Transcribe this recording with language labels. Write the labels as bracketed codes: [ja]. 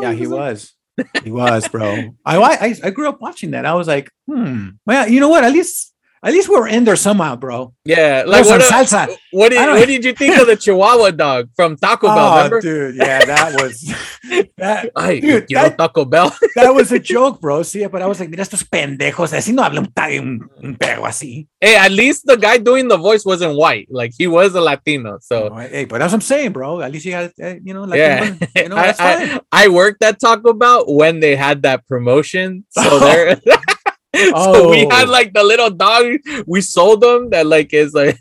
[en] Yeah, he was, bro. I grew up watching that. I was like, well, you know what, at least At least we're in there somehow, bro. Yeah. Like, what, some salsa. What did you think of the Chihuahua dog from Taco Bell? Remember? Dude, yeah, that was that. Ay, dude, you that, know Taco Bell. That was a joke, bro. See, but I was like, [es] mira estos pendejos. Así no hablan un perro así. [en] Hey, at least the guy doing the voice wasn't white. Like, he was a Latino. So, hey, but that's what I'm saying, bro. At least you got, you know, Latino. Yeah. You know, that's fine. I worked at Taco Bell when they had that promotion. So there. So we had like the little dog we sold them that like is like